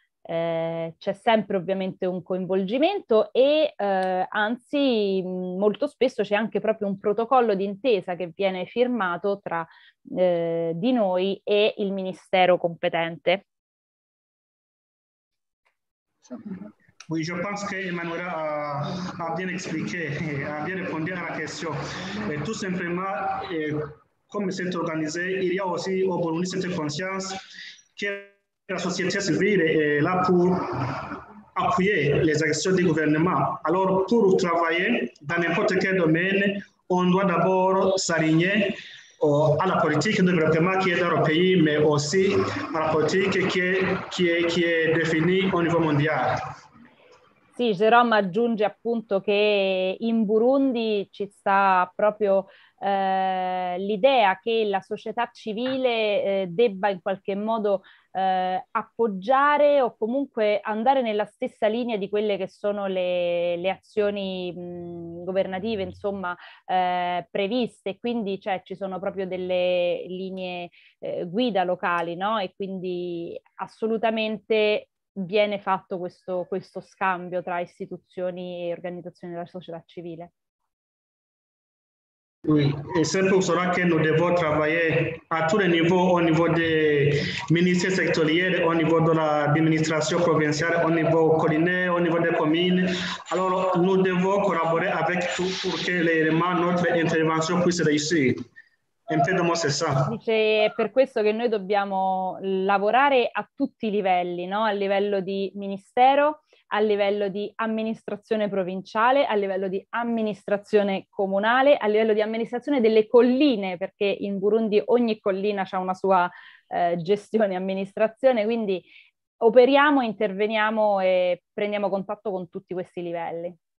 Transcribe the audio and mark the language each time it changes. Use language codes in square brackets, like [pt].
[it] C'è sempre ovviamente un coinvolgimento e anzi molto spesso c'è anche proprio un protocollo d'intesa che viene firmato tra di noi e il ministero competente. [fr] Oui, je pense que Emmanuel a bien expliqué, a bien répondu à la question. Et tout simplement, comme c'est organisé, il y a aussi au Burundi cette conscience que la société civile est là pour appuyer les actions du gouvernement. Alors, pour travailler dans n'importe quel domaine, on doit d'abord s'aligner à la politique de développement qui est dans le pays, mais aussi à la politique qui est définie au niveau mondial. [it] Sì, Jérôme aggiunge appunto che in Burundi ci sta proprio l'idea che la società civile debba in qualche modo appoggiare o comunque andare nella stessa linea di quelle che sono le azioni governative, insomma, previste. Quindi cioè, ci sono proprio delle linee guida locali, no? E quindi assolutamente viene fatto questo scambio tra istituzioni e organizzazioni della società civile. [fr] Oui, et c'est pour cela que nous devons travailler à tous les niveaux, au niveau des ministères sectoriels, au niveau de l'administration provinciale, au niveau collinaire, au niveau des communes. Alors, nous devons collaborer avec tout pour que l'élément, notre intervention puisse réussir. [it] Dice, è per questo che noi dobbiamo lavorare a tutti i livelli, no? A livello di ministero, a livello di amministrazione provinciale, a livello di amministrazione comunale, a livello di amministrazione delle colline, perché in Burundi ogni collina ha una sua gestione e amministrazione, quindi operiamo, interveniamo e prendiamo contatto con tutti questi livelli.